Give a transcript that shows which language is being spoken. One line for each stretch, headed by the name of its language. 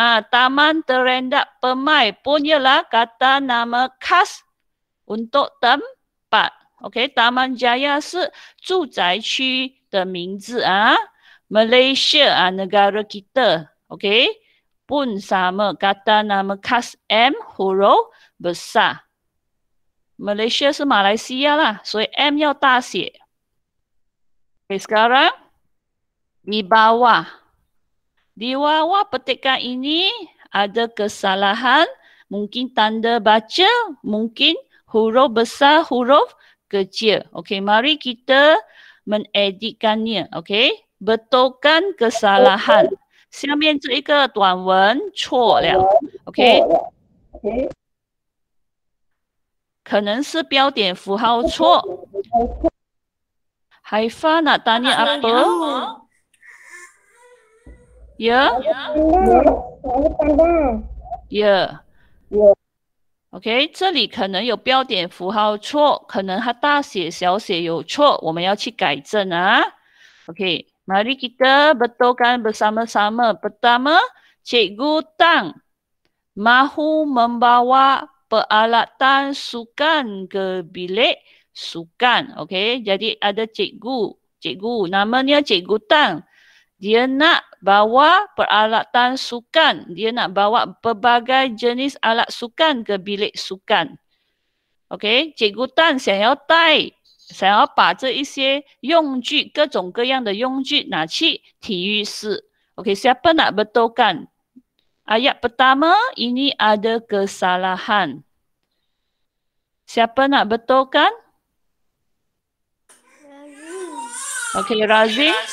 Malay: Taman Terendak Permai pun ialah kata nama khas untuk tempat.
Chinese: OK, Taman Jaya 是住宅区的名字啊。
Malay: Malaysia 啊 negara kita, OK, pun sama kata nama khas M huruf besar.
Chinese: Malaysia 是马来西亚啦，所以 M 要大写。
Malay: OK, sekarang di bawah. Di bawah petikan ini ada kesalahan, mungkin tanda baca, mungkin huruf besar, hurufkecil. Okey, mari kita mengeditkannya. Okey, betulkan kesalahan. Sila baca satu
Chinese: 短文错了. Okey, 可能是标点符号错.
Malay: Haifa nak tanya apa? Ya? Ya.
Chinese: OK， 这里可能有标点符号错，可能它大写小写有错，我们要去改正啊。
Malay: OK， mari kita betulkan bersama-sama. Pertama, Cikgu Tang mahu membawa peralatan sukan ke bilik sukan. OK， jadi ada Cikgu, namanya Cikgu Tang. Dia nak bawa peralatan sukan. Dia nak bawa berbagai jenis alat sukan ke bilik sukan.
Chinese: Okay, Cikgu Tan 想要把这一些用具，各种各样的用具拿去体育室。
Malay: Okay, siapa nak betulkan? Ayat pertama ini ada kesalahan. Siapa nak betulkan? Okay, Razin.